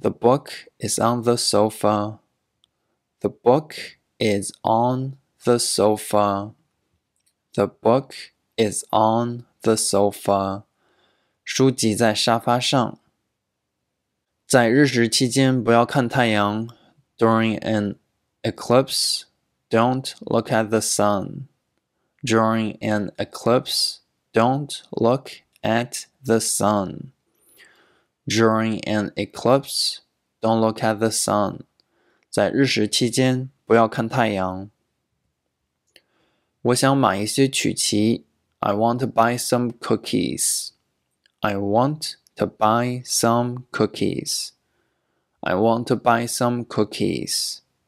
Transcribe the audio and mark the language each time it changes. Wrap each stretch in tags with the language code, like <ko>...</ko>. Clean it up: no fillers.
<en>The book is on the sofa. The book is on the sofa. The book is on the sofa.</en> <zh>书籍在沙发上。在日食期间不要看太阳。</zh> <en>During an eclipse, don't look at the sun. During an eclipse, don't look at the sun. During an eclipse, don't look at the sun.</en> <zh>在日食期间不要看太阳。我想买一些曲奇。</zh> <en>I want to buy some cookies. I want to buy some cookies. I want to buy some cookies.</en>